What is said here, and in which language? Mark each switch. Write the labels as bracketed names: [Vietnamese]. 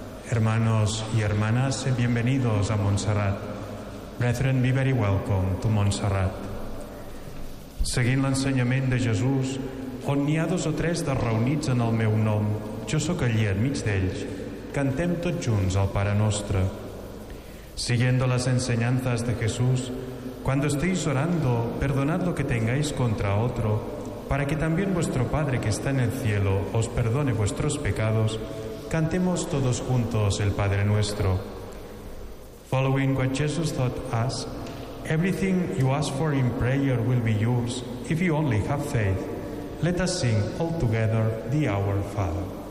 [Spanish] Hermanos y hermanas, bienvenidos a Montserrat. [English] Brethren, be very welcome to Montserrat. [Catalan] Seguint l'ensenyament de Jesús, on n'hi ha dos o tres de reunits en el meu nom, jo sóc allí enmig d'ells, cantem tots junts el Pare Nostre. [Spanish] Siguiendo las enseñanzas de Jesús, cuando estéis orando, perdonad lo que tengáis contra otro, para que también vuestro Padre que está en el cielo os perdone vuestros pecados, cantemos todos juntos el Padre Nuestro. [English] Following what Jesus taught us, everything you ask for in prayer will be yours if you only have faith. Let us sing all together the Our Father.